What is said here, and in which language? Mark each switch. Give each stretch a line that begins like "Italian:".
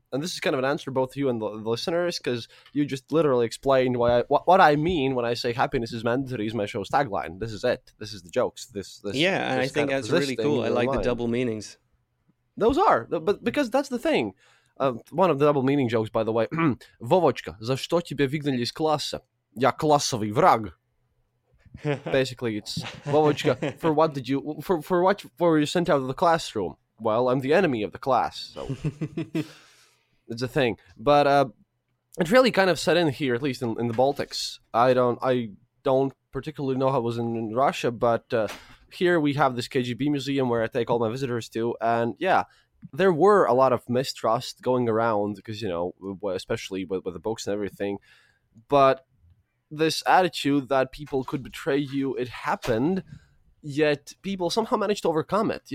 English: And this is kind of an answer both to you and the listeners, because you just literally explained what I mean when I say happiness is mandatory is my show's tagline. This is it. This is the jokes. Yeah, and I think that's really cool. I like the double meanings. Those are. But because that's the thing. One of the double meaning jokes, by the way.
Russian: Vovochka, za что тебе выгнали из класса? Я классовый враг.
English: Basically, it's Vovochka, for what were you sent out of the classroom? Well, I'm the enemy of the class, so... It's a thing, but it really kind of set in here, at least in the Baltics. I don't particularly know how it was in Russia, but here we have this KGB museum where I take all my visitors to, and yeah, there were a lot of mistrust going around, because, you know, especially with the books and everything, but this attitude that people could betray you, it happened, yet people somehow managed to overcome it.